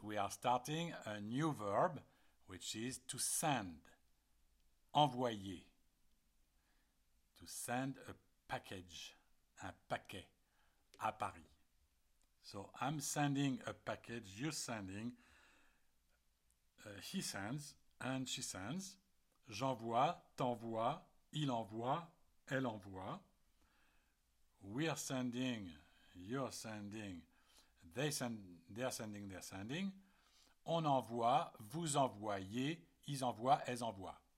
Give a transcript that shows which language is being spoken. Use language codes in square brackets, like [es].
[en] We are starting a new verb, which is to send, envoyer. To send a package, [fr] un paquet, à Paris. [en] So I'm sending a package, you're sending, he sends and she sends. [fr] J'envoie, t'envoie, il envoie, elle envoie. [en] We are sending, you're sending. They send, they're sending, they're sending. [fr] On envoie, vous envoyez, ils envoient, elles envoient.